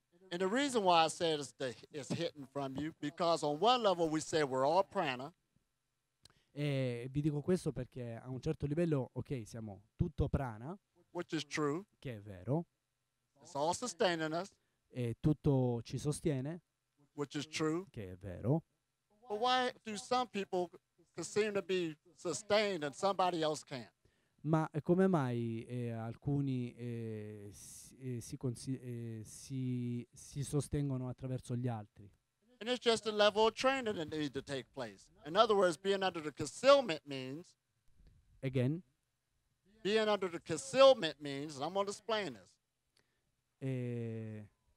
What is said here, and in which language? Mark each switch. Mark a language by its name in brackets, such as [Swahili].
[English] And the reason why I said it's hidden from you, because on one level we say we're all prana. [Italian] E vi dico questo perché a un certo livello, ok, siamo tutto prana. [English] Which is true. [Italian] Che è vero. [English] It's all sustaining us. [Italian] E tutto ci sostiene. [English] Which is true. [Italian] Che è vero. [English] But why do some people can seem to be sustained and somebody else can't? [Italian] Ma come mai alcuni si sostengono attraverso gli altri? [English] And it's just a level of training that needs to take place. In other words, being under the concealment means. Again. Being under the concealment means, and I'm going to explain this.